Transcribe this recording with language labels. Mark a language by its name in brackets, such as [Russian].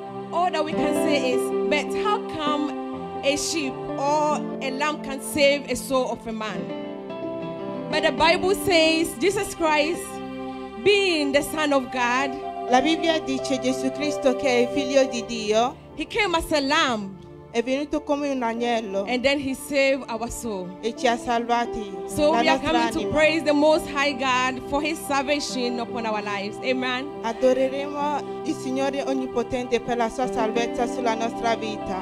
[English] All that we can say is, but how come a sheep or a lamb can save a soul of a man? But the Bible says Jesus Christ, being the Son of God, [Italian] la Bibbia dice Gesù Cristo che è figlio di Dio, [English] he came as a lamb. [Italian] È venuto come un agnello. [English] And then he saved our soul. [Italian] E ci ha salvati. [English] So [Italian] la [English] we are coming [Italian] anima. [English] To praise the Most High God for his salvation upon our lives. Amen. [Italian] Adoreremo il Signore Onnipotente per la sua salvezza sulla nostra vita.